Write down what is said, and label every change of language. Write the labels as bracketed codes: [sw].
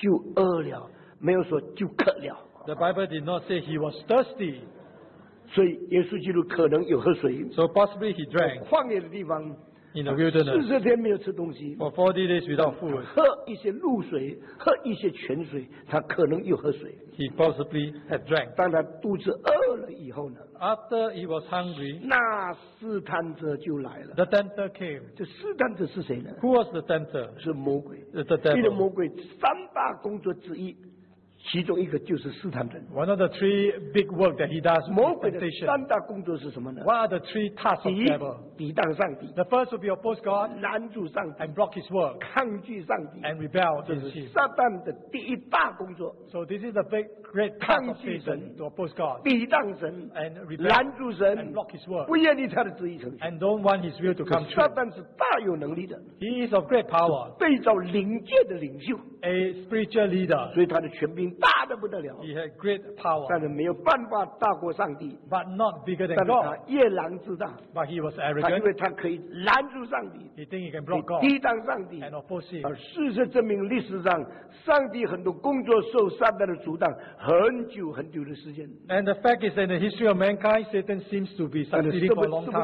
[zh] 圣经说他40天没有吃饭就饿了，没有说就渴了。 [en] The Bible did not say he was thirsty. [zh] 所以耶稣基督可能有喝水。 [en] So possibly he drank. [zh] 旷野的地方。 [en] In the wilderness. [zh] 40天没有吃东西。 [en] For 40 days without food. [zh] 喝一些露水，喝一些泉水，他可能有喝水。 [en] He possibly had drank. [zh] 当他肚子饿了以后呢？ [en] After he was hungry. [zh] 那试探者就来了。 [en] The tempter came. [zh] 这试探者是谁呢？ [en] Who was the tempter? [zh] 是魔鬼。 [en] The devil. [zh] 因为魔鬼三大工作之一。其中一个就是试探人。 [en] One of the three big work that he does. [zh] 魔鬼的三大工作是什么呢？ [en] What are the three tasks of the devil? [zh] 抵挡上帝。 [en] The first will be oppose God. [zh] 拦阻上帝。 [en] And block his work. [zh] 抗拒上帝。 [en] And rebel to him. [zh] 这是撒旦的第一大工作。 [en] So this is the big great task of Satan to oppose God. [zh] 抵挡神。 [en] And rebel. [zh] 拦阻神。 [en] And block his work. [zh] 不愿意他的旨意成就。 [en] And don't want his will to come true. [zh] 撒旦是大有能力的。 [en] He is of great power. [zh] 被造灵界的领袖。 [en] A spiritual leader. [zh] 所以他的权柄大得不得了。 [en] He had great power. [zh] 但是没有办法大过上帝。 [en] But not bigger than God. [zh] 但是他夜郎自大。 [en] But he was arrogant. [zh] 他以为他可以拦住上帝。 [en] He think he can block God. [zh] 抵挡上帝。 [en] And oppose him. [zh] 而事实证明历史上上帝很多工作受撒旦的阻挡很久很久的时间。 [en] And the fact is that in the history of mankind, Satan seems to be succeeding for a long time.